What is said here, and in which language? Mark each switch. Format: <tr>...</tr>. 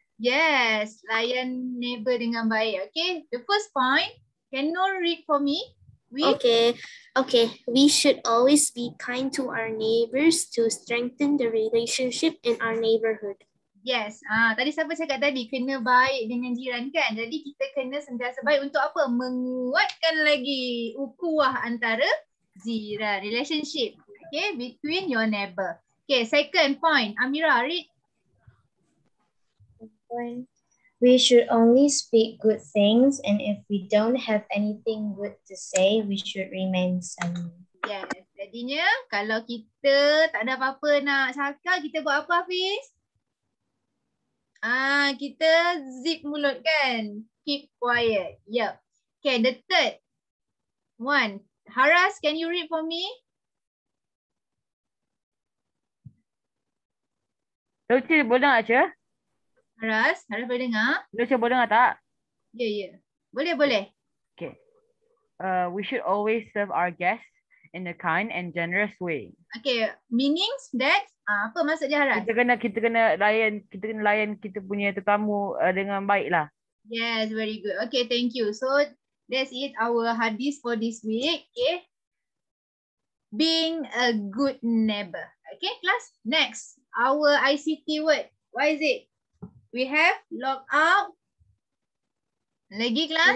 <ms>Yes, layan neighbor dengan baik.</ms> <en>Okay, the first point. Can Nur read for me? Okay. We should always be kind to our neighbors to strengthen the relationship in our neighborhood.</en> <ms>Yes. Tadi siapa cakap tadi? Kena baik dengan jiran kan? Jadi kita kena sentiasa baik untuk apa? Menguatkan lagi ukhuwah antara jiran.</ms> <en>Relationship.</en> <ms>Okay.</ms> <en>Between your neighbor. Okay. Second point. Amira, read. We should only speak good things, and if we don't have anything good to say, we should remain silent.</en> <ms>Yes. Jadinya kalau kita tak ada apa-apa nak cakap, kita buat apa, Hafiz? Kita zip mulut kan?</ms> <en>Keep quiet.</en> <ms>Yep.</ms> <en>Okay, the third one. Haras, can you read for me?</en> <ms>Lucu, boleh dengar je? Haras boleh dengar? Lucu, boleh dengar tak? Yeah. Boleh.</ms> <en>Okay. We should always serve our guests in a kind and generous way. Okay, meaning that</en> <ms>apa maksud dia, Haras? Kita kena layan kita punya tetamu dengan baiklah.</ms> <en>Yes, very good. Okay, thank you. So that's it, our hadith for this week. Okay, being a good neighbor. Okay, class, next our ICT word. What is it? We have log out.</en> <ms>Lagi</ms> <en>class.</en>